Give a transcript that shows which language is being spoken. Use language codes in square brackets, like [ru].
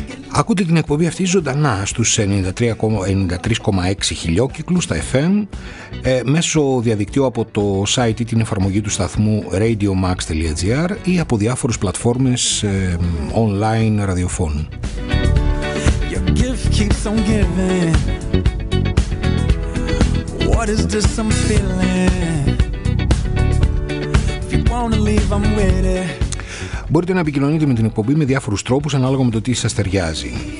[el] Ακούτε την εκπομπή αυτή ζωντανά στους 93,6 χιλιόκυκλους στα FM μέσω διαδικτύου από το site ή την εφαρμογή του σταθμού radiomax.gr ή από διάφορες πλατφόρμες online ραδιοφώνου. [en] Your gift keeps on giving. What is this I'm feeling? If you wanna leave, I'm with it. [el] Μπορείτε να επικοινωνείτε με την εκπομπή με διάφορους τρόπους ανάλογα με το τι σας ταιριάζει.